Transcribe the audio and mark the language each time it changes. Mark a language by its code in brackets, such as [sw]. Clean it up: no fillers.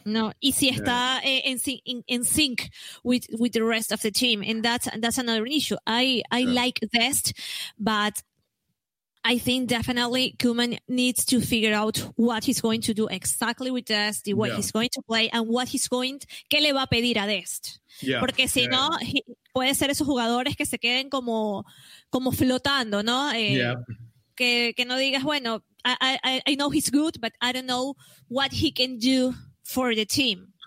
[es] No, y si está [en] in sync with the rest of the team. And that's another issue. I like Dest, but I think definitely Koeman needs to figure out what he's going to do exactly with Dest, the way he's going to play, and what he's going to, [es] ¿qué le va a pedir a Dest? [en] Yeah. [es] Porque si no, puede ser esos jugadores que se queden como flotando, ¿no? Que no digas, bueno, [en] I know he's good, but I don't know what he can do for the team.